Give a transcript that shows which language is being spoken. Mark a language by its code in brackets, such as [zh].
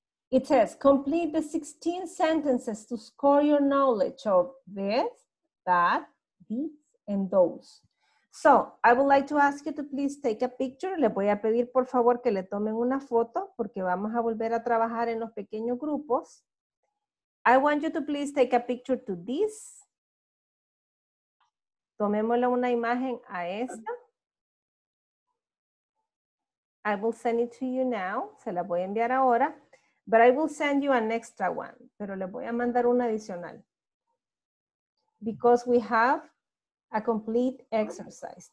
[en] It says, complete the 16 sentences to score your knowledge of this, that, these, and those. So, I would like to ask you to please take a picture. [es] Le voy a pedir, por favor, que le tomen una foto, porque vamos a volver a trabajar en los pequeños grupos. [en] I want you to please take a picture to this. [es] Tomémosle una imagen a esta. [en] I will send it to you now. [es] Se la voy a enviar ahora. [en] But I will send you an extra one. [es] Pero le voy a mandar una adicional. [en] Because we have a complete exercise.